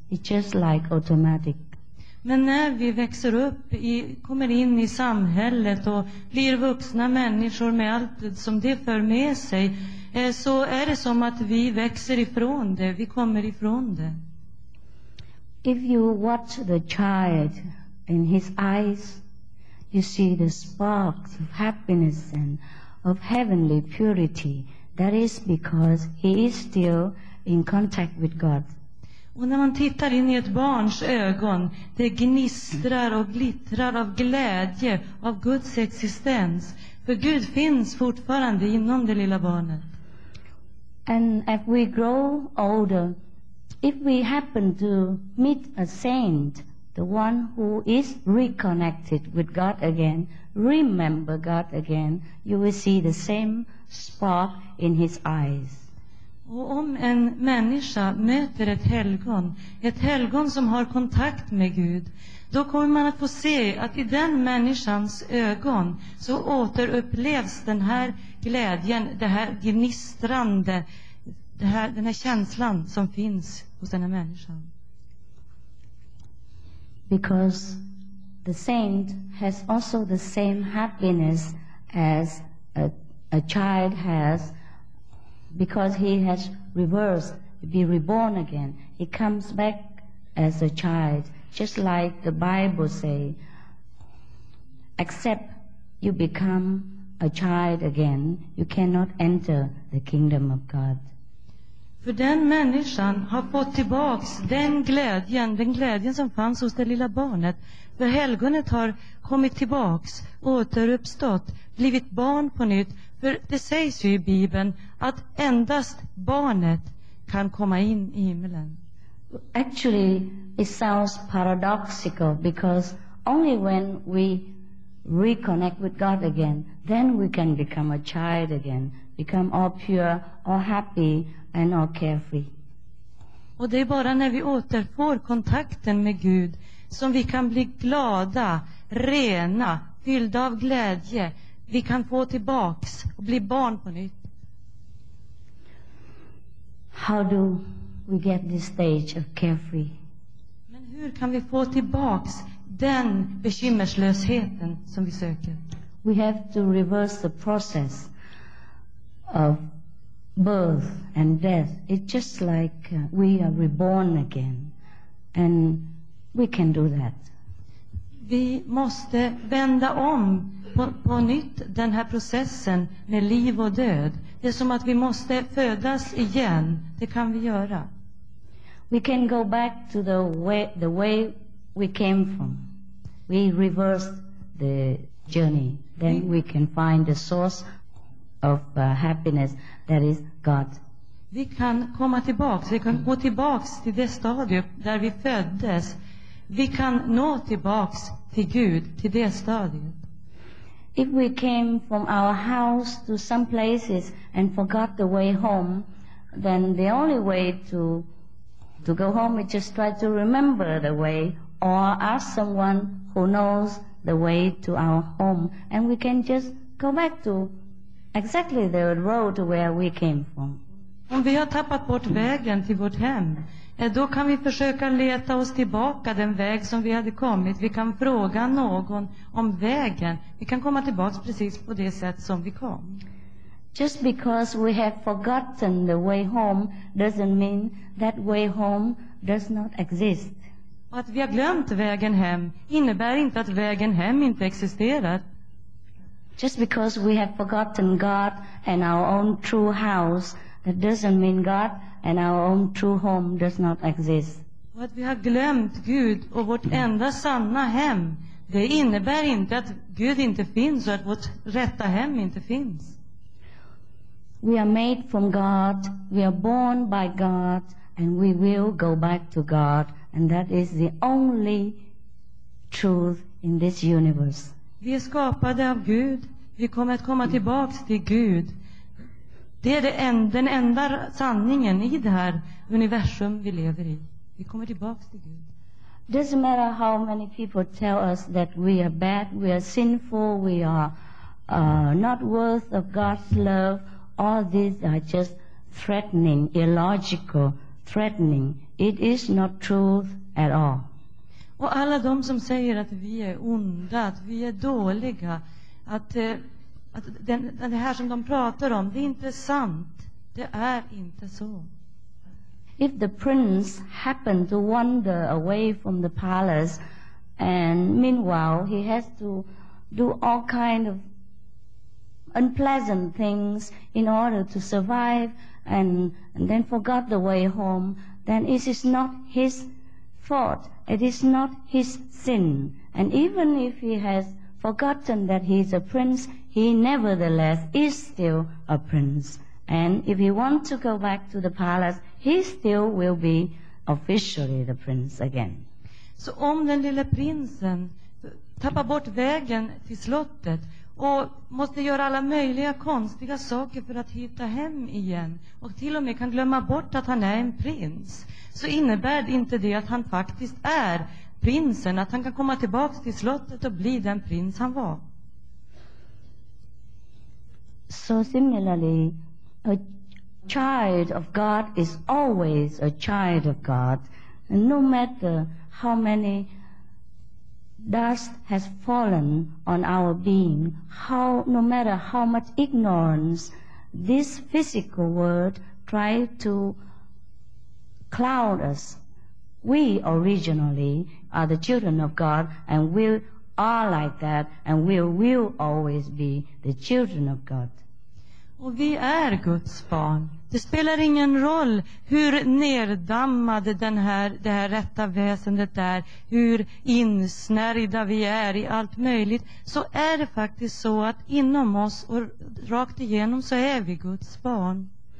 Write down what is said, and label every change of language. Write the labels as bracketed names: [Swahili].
[English] It's just like automatic. [Swedish] Men när vi växer upp, kommer in i samhället och blir vuxna människor med allt som det för med sig, så är det som att vi växer ifrån det, vi kommer ifrån det. [English] If you watch the child in his eyes, you see the sparks of happiness and of heavenly purity. That is because he is still in contact with God. [Swedish] Och när man tittar in i ett barns ögon, det gnistrar och glittrar av glädje, av Guds existens. För Gud finns fortfarande inom det lilla barnet. [English] And if we grow older, if we happen to meet a saint, the one who is reconnected with God again, remember God again, you will see the same spark in his eyes. [Swedish] Och om en människa möter ett helgon som har kontakt med Gud, då kommer man att få se att i den människans ögon så återupplevs den här glädjen, det här gnistrande den här känslan som finns hos den här människan. [English] Because the saint has also the same happiness as a child has, because he has reversed, be reborn again. He comes back as a child, just like the Bible say, except you become a child again, you cannot enter the kingdom of God. [Swedish] För den människan har fått tillbaks den glädjen som fanns hos det lilla barnet. För helgonet har kommit tillbaks, återuppstått, blivit barn på nytt. För det sägs ju i Bibeln att endast barnet kan komma in i himlen. [English] Actually, it sounds paradoxical, because only when we reconnect with God again, then we can become a child again, become all pure, all happy and all carefree. [Swedish] Och det är bara när vi återfår kontakten med Gud som vi kan bli glada, rena, fyllda av glädje. Vi kan få tillbaks och bli barn på nytt. [English] How do we get this stage of carefree? [Swedish] Men hur kan vi få tillbaks den bekymmerslösheten som vi söker? [English] We have to reverse the process of birth and death. It's just like we are reborn again, and we can do that. [Swedish] Vi måste vända om på nytt den här processen med liv och död. Det är som att vi måste födas igen. Det kan vi göra. [English] We can go back to the way we came from. We reverse the journey, then we can find the source of happiness, that is God. [Swedish] Vi kan komma tillbaka, vi kan gå tillbaka till det stadium där vi föddes. Vi kan nå tillbaka till Gud, till det stadiet. [English] If we came from our house to some places and forgot the way home, then the only way to go home is just try to remember the way, or ask someone who knows the way to our home, and we can just go back to exactly the road where we came from. [Swedish] Om vi har tappat bort vägen till vårt hem, då kan vi försöka leta oss tillbaka den väg som vi hade kommit. Vi kan fråga någon om vägen. Vi kan komma tillbaka precis på det sätt som vi kom. [English] Just because we have forgotten the way home doesn't mean that way home does not exist. [Swedish] Att vi har glömt vägen hem innebär inte att vägen hem inte existerar. [English] Just because we have forgotten God and our own true house, that doesn't mean God and our own true home does not exist. [Swedish] Och att vi har glömt Gud och vårt enda sanna hem, det innebär inte att Gud inte finns och att vårt rätta hem inte finns. [English] We are made from God, we are born by God, and we will go back to God. And that is the only truth in this universe. [Swedish] Vi är skapade av Gud. Vi kommer att komma tillbaka till Gud. Det är den enda sanningen i det här universum vi lever i. Vi kommer tillbaka till Gud. [English] It doesn't matter how many people tell us that we are bad, we are sinful, we are not worth of God's love. All these are just threatening, illogical threatening. It is not truth at all. [Swedish] Och alla de som säger att vi är onda, att vi är dåliga, att det här som de pratar om, det är inte sant. Det är inte så. [English] If the prince happened to wander away from the palace, and meanwhile he has to do all kind of unpleasant things in order to survive, and then forgot the way home, then it is not his fault. It is not his sin. And even if he has forgotten that he is a prince, he nevertheless is still a prince. And if he wants to go back to the palace, he still will be officially the prince again. [Swedish] Så om den lilla prinsen tappar bort vägen till slottet och måste göra alla möjliga konstiga saker för att hitta hem igen, och till och med kan glömma bort att han är en prins, så innebär det inte det att han faktiskt är prinsen, att han kan komma tillbaka till slottet och bli den prins han var. [English] So similarly, a, child of God is always a child of God, no matter how many dust has fallen on our being, how, no matter how much ignorance this physical world tried to cloud us. We originally are the children of God, and we are like that, and we will always be the children of God. [Swedish] Och vi är Guds barn. Det spelar ingen roll hur neddammade det här rätta väsendet är, hur insnärjda vi är i allt möjligt, så är det faktiskt så att inom oss och rakt igenom så är vi Guds barn.